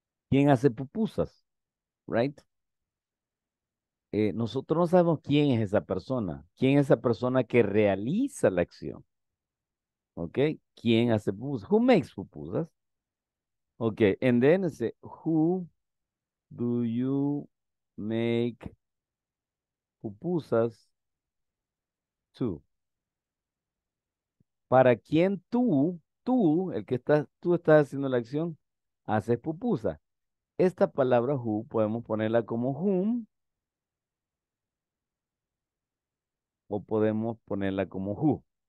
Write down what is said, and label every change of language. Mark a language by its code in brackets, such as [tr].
[es] ¿Quién hace pupusas? [en] Right? [es] Nosotros no sabemos quién es esa persona. ¿Quién es esa persona que realiza la acción? [en] Okay, [es] ¿quién hace pupusas? [en] Who makes pupusas? Okay, and then say, who do you make pupusas to? [es] ¿Para quién tú estás haciendo la acción, haces pupusas? Esta palabra who podemos ponerla como whom o podemos ponerla como who.